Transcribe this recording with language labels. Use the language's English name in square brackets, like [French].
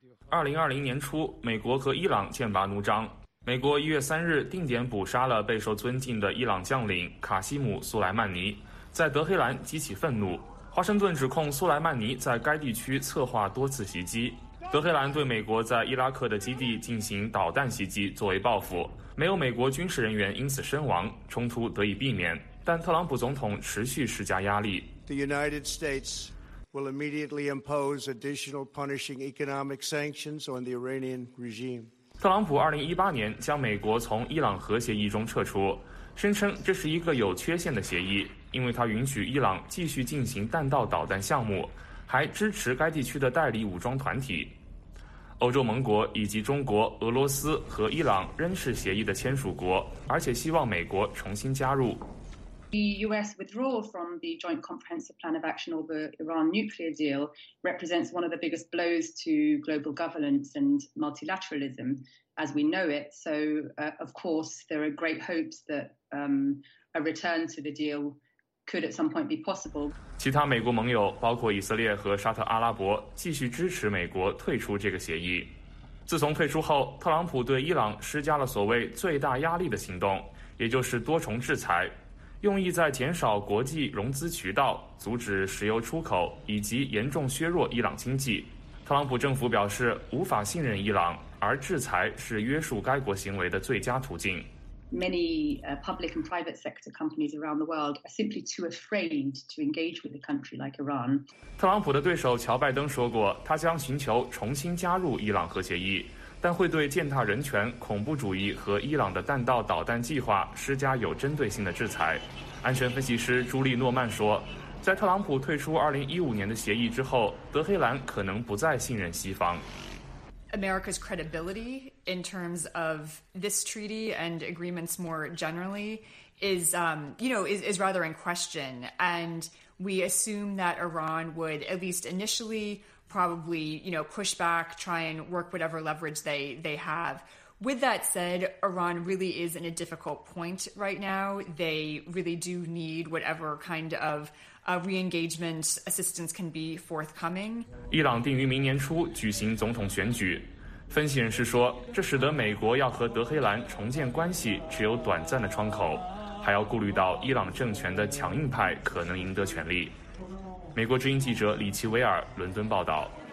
[Chinese] 2020年初，美国和伊朗剑拔弩张。美国1月3日定点捕杀了备受尊敬的伊朗将领卡西姆·苏莱曼尼，在德黑兰激起愤怒。华盛顿指控苏莱曼尼在该地区策划多次袭击，德黑兰对美国在伊拉克的基地进行导弹袭击作为报复，没有美国军事人员因此身亡，冲突得以避免。但特朗普总统持续施加压力。 [English] The United States will immediately impose additional punishing economic sanctions on the Iranian regime. [Chinese] 特朗普2018年将美国从伊朗核协议中撤出，声称这是一个有缺陷的协议。因为他允许伊朗继续进行弹道导弹项目，还支持该地区的代理武装团体。欧洲盟国以及中国、俄罗斯和伊朗仍是协议的签署国，而且希望美国重新加入。 [English] The U.S. withdrawal from the Joint Comprehensive Plan of Action over Iran nuclear deal represents one of the biggest blows to global governance and multilateralism as we know it. So, of course, there are great hopes that a return to the deal. Could at some point be possible. [Chinese] 其他美国盟友包括以色列和沙特阿拉伯继续支持美国退出这个协议。自从退出后，特朗普对伊朗施加了所谓最大压力的行动，也就是多重制裁，用意在减少国际融资渠道，阻止石油出口，以及严重削弱伊朗经济。特朗普政府表示无法信任伊朗，而制裁是约束该国行为的最佳途径。 [English] Many public and private sector companies around the world are simply too afraid to engage with a country like Iran. [Chinese] 特朗普的对手乔拜登说过，他将寻求重新加入伊朗核协议，但会对践踏人权、恐怖主义和伊朗的弹道导弹计划施加有针对性的制裁。安全分析师朱莉诺曼说，在特朗普退出2015年的协议之后，德黑兰可能不再信任西方。 [English] America's credibility in terms of this treaty and agreements more generally is rather in question. And we assume that Iran would at least initially probably, you know, push back, try and work whatever leverage they have. With that said, Iran really is in a difficult point right now. They really do need whatever kind of re-engagement assistance can be forthcoming. [Chinese] 伊朗定于明年初举行总统选举。分析人士说，这使得美国要和德黑兰重建关系只有短暂的窗口，还要顾虑到伊朗政权的强硬派可能赢得权力。美国之音记者李奇维尔，伦敦报道。